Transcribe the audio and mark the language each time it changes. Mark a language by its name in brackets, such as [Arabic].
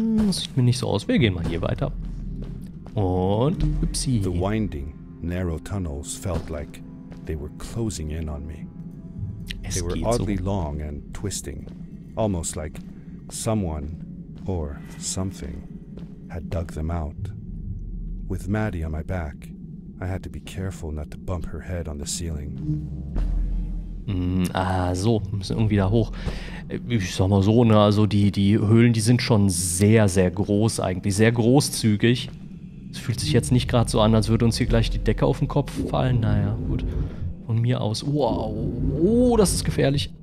[German] Sieht mir nicht so aus. Wir gehen mal hier weiter. Und upsie. [English] The winding, narrow tunnels felt like they were closing in on me. They were oddly long and twisting, almost like someone or something had dug them out. With Maddie on my back, I had to be careful not to bump her head on the ceiling. [German] So, müssen irgendwie da hoch. Ich sag mal so, ne, also die Höhlen, die sind schon sehr, sehr groß eigentlich, sehr großzügig. Es fühlt sich jetzt nicht gerade so an, als würde uns hier gleich die Decke auf den Kopf fallen. Naja, gut. Von mir aus. Wow. Oh, das ist gefährlich.